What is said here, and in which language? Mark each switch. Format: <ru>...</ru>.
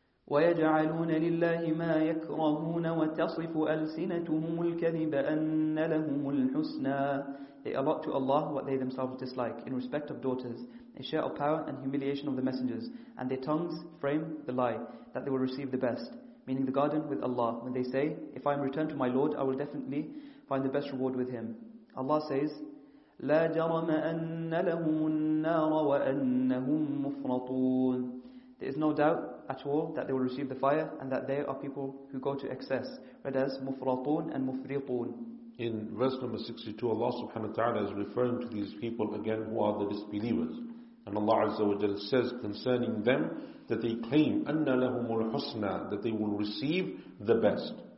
<ar>وَيَجْعَلُونَ لِلَّهِ مَا يَكْرَهُونَ وَتَصِفُ أَلْسِنَتُهُمُ الْكَذِبَ أَنَّ لَهُمُ الْحُسْنَى.</ar> <en>They allot to Allah what they themselves dislike in respect of daughters, a share of power and humiliation of the messengers, and their tongues frame the lie that they will receive the best, meaning the garden with Allah, when they say, if I am returned to my Lord, I will definitely find the best reward with Him. Allah says,</en> <ar>لا جرم أن لهم النار وأنهم مفرطون.</ar> <en>There is no doubt at all that they will receive the fire and that they are people who go to excess. Read as مفرطون and مفرطون. In verse number 62, Allah subhanahu wa ta'ala is referring to these people again who are the disbelievers. And And Allah Azza wa Jal says concerning them that they claim</en> <ar>أَنَّ لَهُمُ الْحُسْنَى,</ar> <en>that they will receive the best.</en>